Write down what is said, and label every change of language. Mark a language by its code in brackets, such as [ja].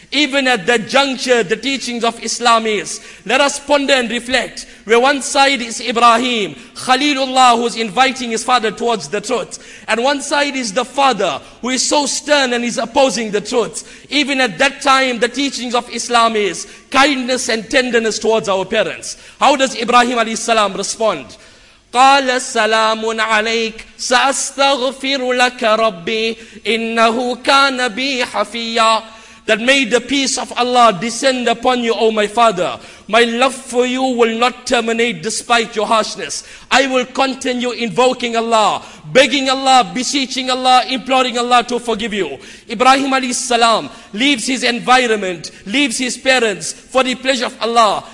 [en] Even at that juncture, the teachings of Islam is, let us ponder and reflect, where one side is Ibrahim, Khalilullah, who is inviting his father towards the truth, and one side is the father, who is so stern and is opposing the truth. Even at that time, the teachings of Islam is kindness and tenderness towards our parents. How does Ibrahim alayhi salam respond? [ar] قال سلام عليك سأستغفر لك ربي إنه كان بي حفيا. [en] That may the peace of Allah descend upon you, O my father. My love for you will not terminate despite your harshness. I will continue invoking Allah, begging Allah, beseeching Allah, imploring Allah to forgive you. Ibrahim alayhi salam leaves his environment, leaves his parents for the pleasure of Allah.